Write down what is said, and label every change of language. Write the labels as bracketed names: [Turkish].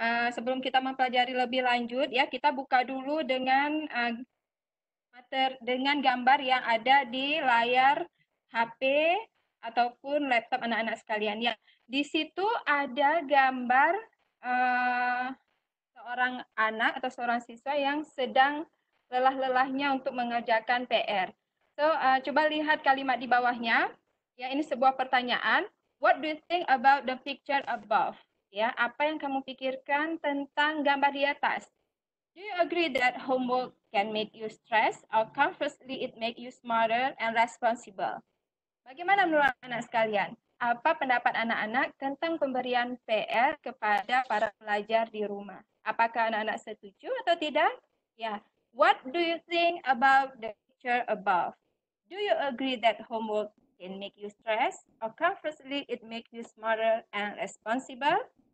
[Indonesian] Sebelum kita mempelajari lebih lanjut, ya kita buka dulu dengan dengan gambar yang ada di layar HP ataupun laptop anak-anak sekalian. Ya, di situ ada gambar seorang anak atau seorang siswa yang sedang lelah-lelahnya untuk mengerjakan PR. So, coba lihat kalimat di bawahnya. Ya, ini sebuah pertanyaan. [English] What do you think about the picture above? [Indonesian] Ya, apa yang kamu pikirkan tentang gambar di atas? [English] Do you agree that homework can make you stress, or conversely it make you smarter and responsible? [Indonesian] Bagaimana menurut anak-anak sekalian? Apa pendapat anak-anak tentang pemberian PR kepada para pelajar di rumah? Apakah anak-anak setuju atau tidak? [English] Ya, what do you think about the picture above? Do you agree that homework can make you stress, or conversely it make you smarter and responsible?